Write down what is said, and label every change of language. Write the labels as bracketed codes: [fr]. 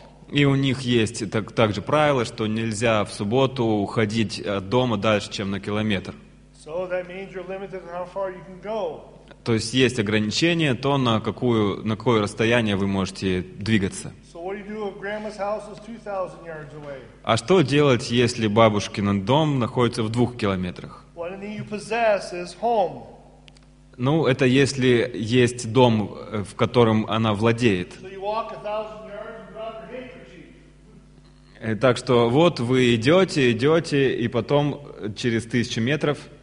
[ru] И у них есть также правило, что нельзя в субботу уходить от дома дальше, чем на километр. [en] So that means you're limited on how far you can go. [ru] То есть есть ограничение, то на какое расстояние вы можете двигаться. [en] So what do you do if grandma's house is 2,000 yards away? [ru] А что делать, если бабушкин дом находится в 2 километрах? [en] What you possess is home. [ru] Ну, это если есть дом, в котором она владеет. [en] So you walk 1,000 yards and drop your handkerchief. [ru] Так что вот вы идете, идете, и потом через 1,000 метров...